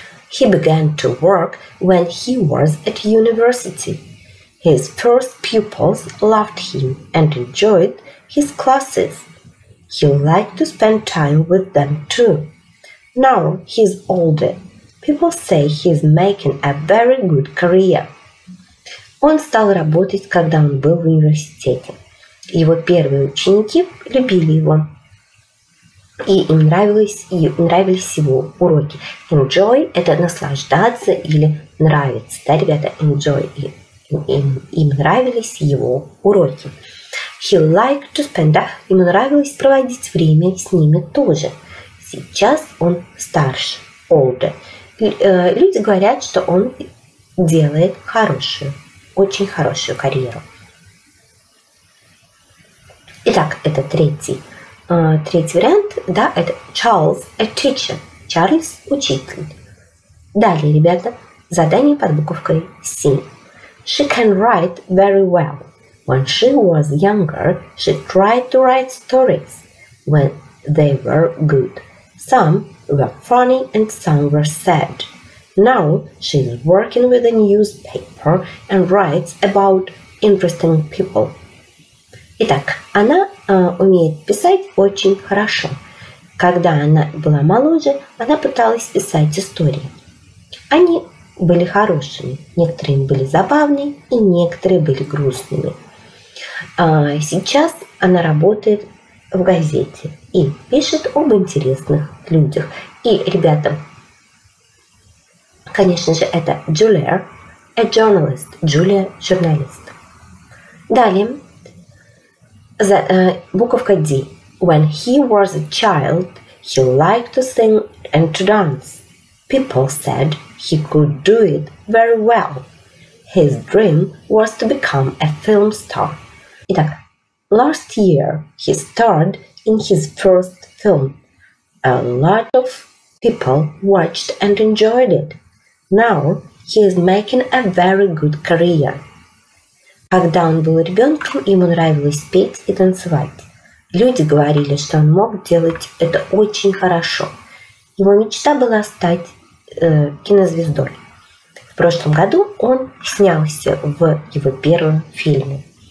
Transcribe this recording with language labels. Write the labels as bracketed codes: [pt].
[en] He began to work when he was at university. His first pupils loved him and enjoyed his classes. He liked to spend time with them too. Now he's older. People say he's making a very good career. [ru] Он стал работать, когда он был в университете. Его первые ученики любили его. И им нравились его уроки. Enjoy – это наслаждаться или нравиться. Да, ребята, enjoy. Им нравились его уроки. [en] He liked to spend, [ru] да? Ему нравилось проводить время с ними тоже. Сейчас он старше, older. Люди говорят, что он делает хорошую, очень хорошую карьеру. Итак, это третий вариант, да, это Charles, [en] a teacher. [ru] Чарльз – учитель. Далее, ребята, задание под буковкой C. [en] She can write very well. When she was younger, she tried to write stories. When they were good. Some were funny and some were sad. Now she is working with a newspaper and writes about interesting people. [ru] Итак, она умеет писать очень хорошо. Когда она была моложе, она пыталась писать истории. Они были хорошими. Некоторые были забавны, и некоторые были грустными. Сейчас она работает в газете и пишет об интересных людях. И, ребята, конечно же, это Julia, [en] a journalist. [ru] Julia – журналист. Далее. Буковка D. [en] When he was a child, he liked to sing and to dance. People said he could do it very well. His dream was to become a film star. [ru] Итак, [en] last year he starred in his first film. A lot of people watched and enjoyed it. Now he is making a very good career. [ru] Когда он был ребенком, ему нравилось петь и танцевать. Люди говорили, что он мог делать это очень хорошо. Его мечта была стать кинозвездой. В прошлом году он снялся в его первом фильме.